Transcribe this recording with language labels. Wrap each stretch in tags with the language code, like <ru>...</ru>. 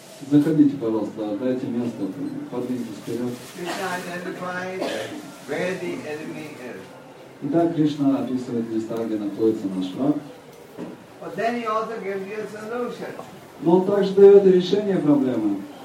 <ru>Заходите, пожалуйста, дайте место, поднимитесь вперед.</ru> <en>Krishna identifies where the enemy is.</en> <ru>Итак, Кришна описывает места, где находится наш враг.</ru> <en>But then he also gives you a solution.</en> <ru>Но он также дает решение проблемы.</ru>